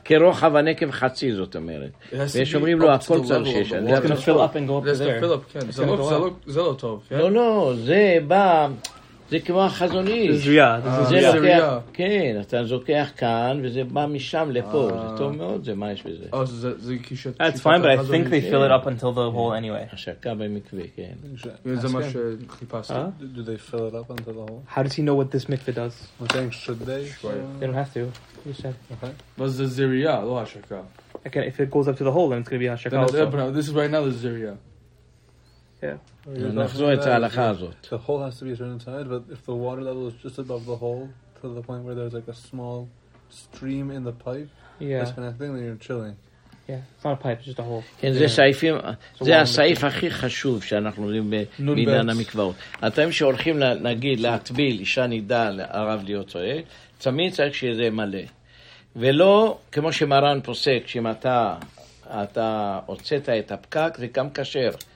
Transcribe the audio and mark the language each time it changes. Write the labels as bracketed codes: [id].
[he] כרוחב הנקב חצי, זאת אומרת. ויש אומרים לו, הכל צר שיש. [en] It's going to fill up and go up there. It's going to fill up, [he] כן. זה לא טוב. לא, לא, זה בא... זה כמו החזוני. זה ריאה. זה ריאה. כן, אתה זוקח כאן, וזה בא משם לפה. זה טוב מאוד, זה מה יש בזה. זה כשאתה... [en] That's fine, but I think they fill it up until the hole anyway. [he] השקה במקווה, כן. זה מה שחיפשתי. [en] Do they fill it up until the hole? How does he know what this mikveh does? I think, should they? They don't have to. You said. [he] But זה זריאה, לא השקה. [en] Okay, if it goes up to the hole, then it's going to be השקה also. This is right now the זריאה. Yeah. [he] נחזור את ההלכה הזאת. [en] The hole has to be turned inside, but if the water level is just above the hole, to the point where there's like a small stream in the pipe, that's connecting, then you're chilling. Yeah, it's not a pipe, it's just a hole. [he] כן, זה סעיפים, זה הסעיף הכי חשוב שאנחנו יודעים בעניין המקוואות. אתם שהולכים להגיד, להטביל, אישה נידה לערב להיות טועה, תמיד צריך שיהיה זה מלא. ולא, כמו שמרן פוסק, שאם אתה הוצאת את הפקק, זה גם קשר.